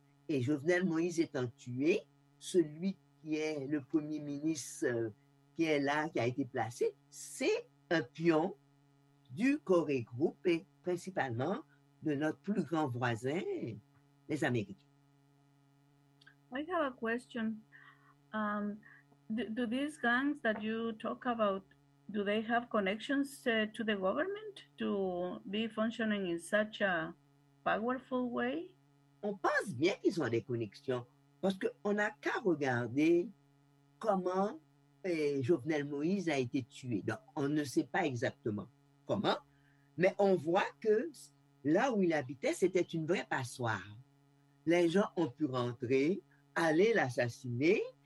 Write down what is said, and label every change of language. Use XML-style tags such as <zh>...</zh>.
<fr>Et Jovenel Moïse étant tué, celui qui est le premier ministre qui est là, qui a été placé, c'est un pion du core group et principalement de notre plus grand voisin, les Américains.</fr> <en>I have a question. Do these gangs that you talk about, do they have connections to the government to be functioning in such a powerful way?</en> <fr>On pense bien qu'ils ont des connexions parce qu'on n'a qu'à regarder comment Jovenel Moïse a été tué. Donc, on ne sait pas exactement comment, mais on voit que là où il habitait, c'était une vraie passoire. Les gens ont pu rentrer, aller l'assassiner.</fr>